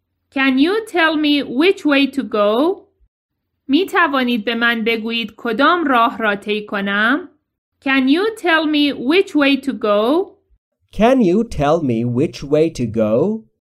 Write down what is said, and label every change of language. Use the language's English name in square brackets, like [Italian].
[English] Can you tell me which way to go? [Persian] می توانید به من بگویید کدام راه را طی کنم؟ [English] Can you tell me which way to go? Can you tell me which way to go?